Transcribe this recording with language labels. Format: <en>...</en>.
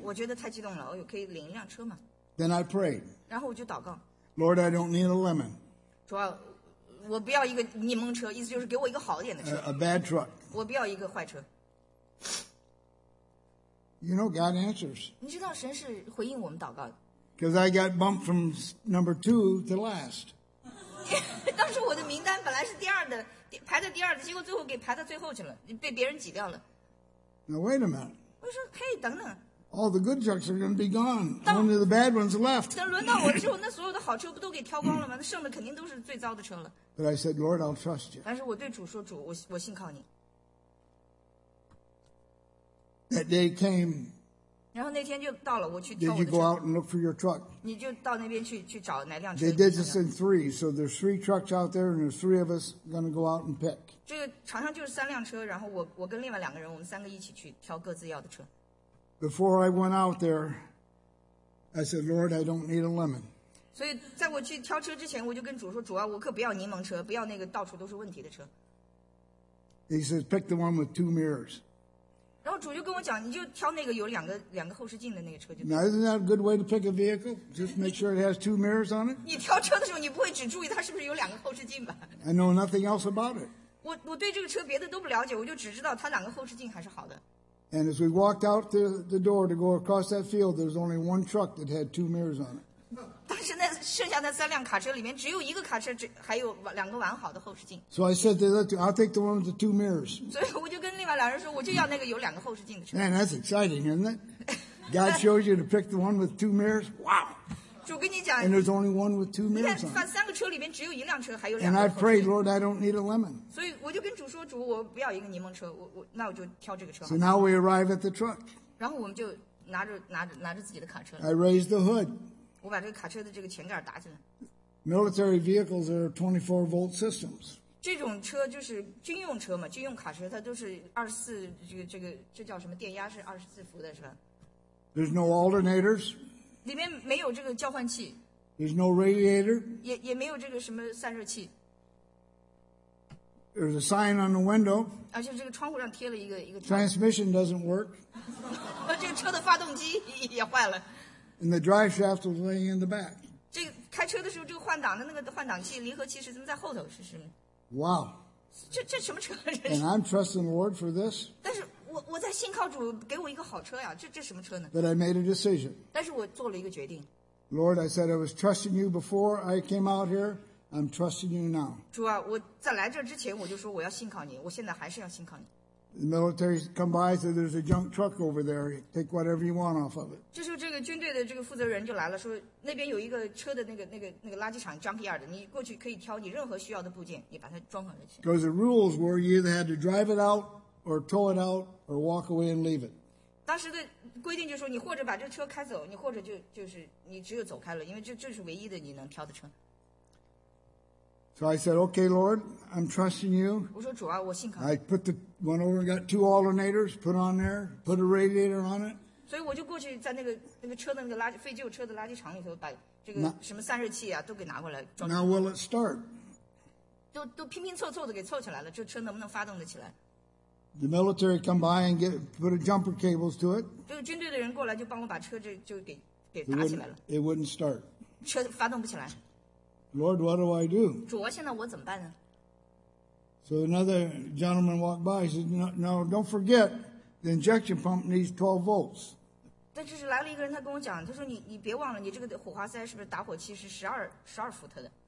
<zh>我觉得太激动了，哦，可以领一辆车嘛。</zh> <en>Then I prayed.</en> <zh>然后我就祷告。</zh> <en>Lord, I don't need a lemon.</en> <zh>主要我不要一个柠檬车，意思就是给我一个好点的车。</zh> <en>A bad truck.</en> <zh>我不要一个坏车。</zh> <en>You know God answers.</en> <zh>你知道神是回应我们祷告的。</zh> <en>Because I got bumped from number two to last.</en> <zh>当时我的名单本来是第二的。排在第二的，结果最后给排到最后去了，被别人挤掉了。</zh> <en>Now wait a minute.</en> <zh>我说，嘿，等等。</zh> <en>All the good trucks are going to be gone. Only the bad ones left.</en> <zh>等轮到我之后，那所有的好车不都给挑光了吗？那剩的肯定都是最糟的车了。</zh> <en>But I said, Lord, I'll trust you.</en> <zh>但是我对主说，主，我信靠你。</zh> <en>That day came.</en> <zh>然后那天就到了，我去跳我的车。</zh> <en>Did you go out and look for your truck?</en> <zh>你就到那边去去找哪辆车。</zh> <en>They did this in three, so there's three trucks out there, and there's three of us going to go out and pick.</en> <zh>这个常常就是三辆车，然后我跟另外两个人，我们三个一起去挑各自要的车。</zh> <en>Before I went out there, I said, Lord, I don't need a lemon.</en> <zh>所以在我去挑车之前，我就跟主说，主啊，我可不要柠檬车，不要那个到处都是问题的车。</zh> <en>He says, pick the one with two mirrors.</en> <zh>然后主就跟我讲，你就挑那个有两个后视镜的那个车就。</zh> <en>Now, isn't that a good way to pick a vehicle? Just make sure it has two mirrors on it?</en> <zh>你挑车的时候，你不会只注意它是不是有两个后视镜吧？</zh> <en>I know nothing else about it.</en> <zh>我对这个车别的都不了解，我就只知道它两个后视镜还是好的。</zh> <en>And as we walked out the door to go across that field, there was only one truck that had two mirrors on it.</en> <zh>但是那剩下那三辆卡车里面只有一个卡车只还有两个完好的后视镜。</zh> <en>So I said, I'll take the one with the two mirrors.</en> <zh>所以我就跟另外两人说，我就要那个有两个后视镜的车。</zh> <en>Man, that's exciting, isn't it? God shows you to pick the one with two mirrors. Wow.</en> <zh>主跟你讲。</zh> <en>And there's only one with two mirrors on it.</en> <zh>三个车里面只有一辆车还有两个。</zh> <en>And I prayed, Lord, I don't need a lemon.</en> <zh>所以我就跟主说，主，我不要一个柠檬车，我那我就挑这个车。</zh> <en>So now we arrive at the truck.</en> <zh>然后我们就拿着自己的卡车。</zh> <en>I raised the hood.</en> <zh>我把这个卡车的这个前盖打起来。</zh> <en>Military vehicles are 24 volt systems.</en> <zh>这种车就是军用车嘛，军用卡车它都是24这叫什么？电压是24伏的，是吧</zh> <en>？There's no alternators.</en> <zh>里面没有这个交换器。</zh> <en>There's no radiator.</en> <zh>也没有这个什么散热器。</zh> <en>There's a sign on the window.</en> <zh>而且这个窗户上贴了一个。</zh> <en>Transmission doesn't work.</en> <zh>这个车的发动机也坏了。</zh> <en>And the drive shaft was laying in the back.</en> <zh>这个开车的时候，这个换挡的那个换挡器、离合器是怎么在后头？是吗</zh> <en>？Wow.</en> <zh>这什么车？</zh> <en>And I'm trusting the Lord for this.</en> <zh>但是我在信靠主给我一个好车呀，这什么车呢</zh> <en>？But I made a decision.</en> <zh>但是我做了一个决定。</zh> <en>Lord, I said I was trusting you before I came out here. I'm trusting you now.</en> <zh>主啊，我在来这之前我就说我要信靠你，我现在还是要信靠你。</zh> <en>The military come by and said, "There's a junk truck over there. Take whatever you want off of it."</en> <zh>这时候，这个军队的这个负责人就来了，说那边有一个车的那个垃圾场 junkyard， 你过去可以挑你任何需要的部件，你把它装上就行。</zh> <en>Because the rules were you either had to drive it out, or tow it out, or walk away and leave it.</en> <zh>当时的规定就说，你或者把这车开走，你或者就是你只有走开了，因为这是唯一的你能挑的车。</zh> <en>So I said, okay, Lord, I'm trusting you.</en> <zh>我说主啊，我信靠。</zh> <en>I put the one over and got two alternators put on there, put a radiator on it.</en> <zh>所以我就过去在那个车的那个垃圾废旧车的垃圾场里头把这个什么散热器啊都给拿过来装。</zh> <en>Now will it start?</en> <zh>都拼拼凑凑的给凑起来了，这车能不能发动得起来</zh> <en>？The military come by and put a jumper cables to it.</en> <zh>这个军队的人过来就帮我把车就给打起来了。</zh> <en>It wouldn't start.</en> <zh>车发动不起来。</zh> <en>Lord, what do I do?</en> <zh>主啊，现在我怎么办呢</zh> <en>？So another gentleman walked by. He said, "No, don't forget, the injection pump needs 12 volts."</en> <zh>但这是来了一个人，他跟我讲，他说你别忘了，你这个火花塞是不是打火器是12伏特的</zh>